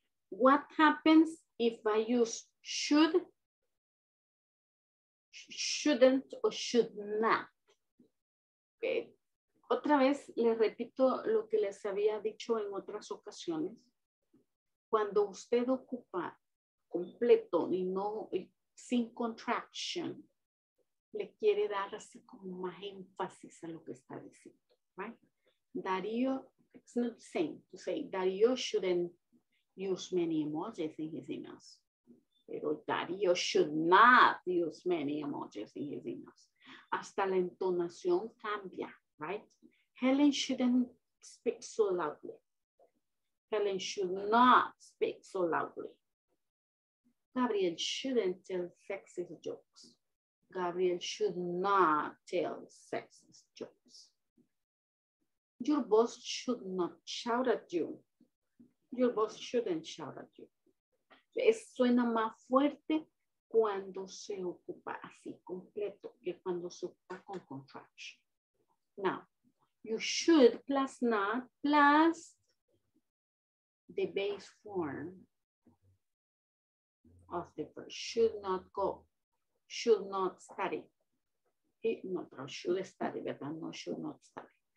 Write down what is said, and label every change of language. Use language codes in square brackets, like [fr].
[en] What happens if I use should, shouldn't, or should not? Okay. [es] Otra vez les repito lo que les había dicho en otras ocasiones. Cuando usted ocupa completo y no sin contraction, le quiere dar así como más énfasis a lo que está diciendo. Right? Darío, ok. [en] it's not the same to say that you shouldn't use many emojis in his emails. Pero that you should not use many emojis in his emails. [es] Hasta la entonación cambia, [en] right? Helen shouldn't speak so loudly. Helen should not speak so loudly. Gabriel shouldn't tell sexist jokes. Gabriel should not tell sexist jokes. Your boss should not shout at you. Your boss shouldn't shout at you. [es] Es, suena más fuerte cuando se ocupa así, completo, que cuando se ocupa con contraction. [en] Now, you should plus not plus the base form of the verb. Should not go, should not study. He, no, should study, ¿verdad? No, should not study.